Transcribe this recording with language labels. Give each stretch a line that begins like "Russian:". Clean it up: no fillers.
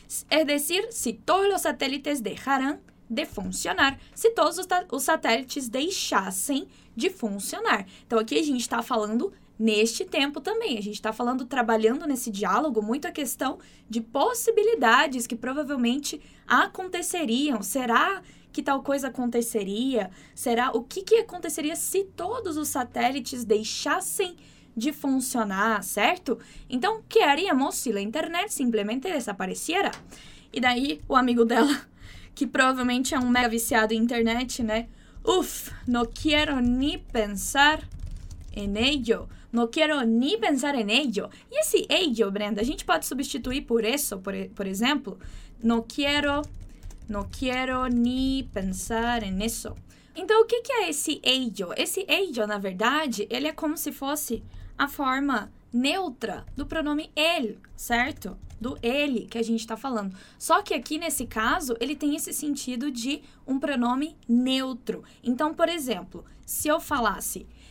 Spanish: Es decir, si todos los satélites dejaran de funcionar,
Portuguese: se todos os satélites deixassem de funcionar. Então, aqui a gente está falando neste tempo também. A gente está falando, trabalhando nesse diálogo, muito a questão de possibilidades que provavelmente aconteceriam. Será que tal coisa aconteceria? Será o que aconteceria se todos os satélites deixassem de funcionar, certo?
Spanish: Então, que haríamos se a internet simplesmente desapareciera?
Portuguese: E daí, o amigo dela, que provavelmente é um mega viciado em internet, né?
Spanish: Uf, no quiero ni pensar en ello. No quiero ni pensar en ello.
Portuguese: E esse ello, Brenda, a gente pode substituir por isso, por exemplo?
Spanish: No quiero ni pensar en eso.
Portuguese: Então, o que é esse ello? Esse ello, na verdade, ele é como se fosse a forma neutra do pronome él, certo? Do ele que a gente está falando. Só que aqui, nesse caso, ele tem esse sentido de um pronome neutro. Então, por exemplo, se eu falasse,